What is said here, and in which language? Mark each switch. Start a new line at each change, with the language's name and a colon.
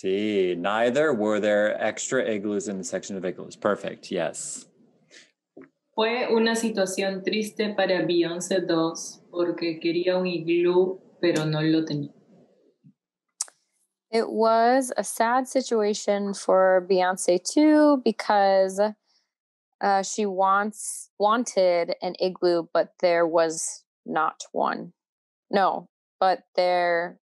English: Sí, neither were there extra igloos in the section of igloos. Perfect. Yes.
Spanish: Fue una situación triste para Beyoncé 2 porque quería un iglú, pero no lo tenía.
English: It was a sad situation for Beyoncé 2 because she wanted an igloo, but there was not one. No, but there